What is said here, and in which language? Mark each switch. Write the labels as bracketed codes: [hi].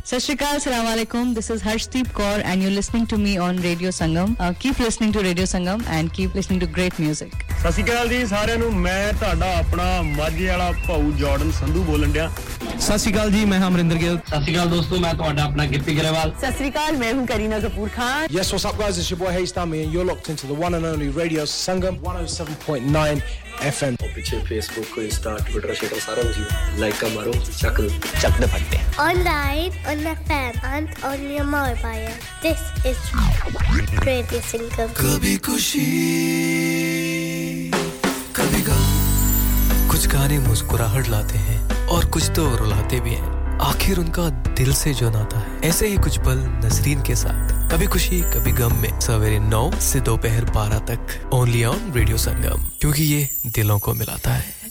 [en] Sat Shri Akaal, Assalamu Alaikum, this is Harshdeep Kaur and you're listening to me on Radio Sangam. Keep listening to Radio Sangam and keep listening to great music. [pa] Sat Shri Akaal ji, sare nu main ਤੁਹਾਡਾ ਆਪਣਾ ਮਾਝੇ ਵਾਲਾ ਭਾਉ Jordan Sandhu ਬੋਲਣ ਡਿਆ ਸਤਿ ਸ਼੍ਰੀ ਅਕਾਲ ਜੀ ਮੈਂ ਹਾਂ ਅਮਰਿੰਦਰ ਗਿੱਲ ਸਤਿ ਸ਼੍ਰੀ ਅਕਾਲ ਦੋਸਤੋ ਮੈਂ ਤੁਹਾਡਾ ਆਪਣਾ ਗਿੱਪੀ ਗਰੇਵਾਲ ਸਤਿ ਸ਼੍ਰੀ ਅਕਾਲ ਮੈਂ ਹਾਂ Kareena Kapoor Khan [en] yes what's up guys it's your boy ਹੇਸ਼ ਤਾਮੀ and you are locked in to the one and only radio Sangam 107.9 FM [pa] ਔਰ ਪਿੱਛੇ ਫੇਸਬੁੱਕ ਕੋ ਇੰਸਟਾ ਟਵਿੱਟਰ ਸ਼ੇਅਰ ਸਾਰਾ ਕੁਝ ਲਾਈਕ ਕਰ ਮਾਰੋ ਚੱਕ ਦੇ ਫੱਟੇ [en] online on fam and on your mobile this is radio Sangam [hi] ਕਭੀ ਖੁਸ਼ੀ ਕਭੀ ਗਮ कुछ गाने मुस्कुराहट लाते हैं और कुछ तो रुलाते भी हैं आखिर उनका दिल से जो नाता है ऐसे ही कुछ पल नसरीन के साथ कभी खुशी कभी गम में सवेरे 9 से दोपहर 12 तक [en] only on Radio Sangam [hi] क्योंकि ये दिलों को मिलाता है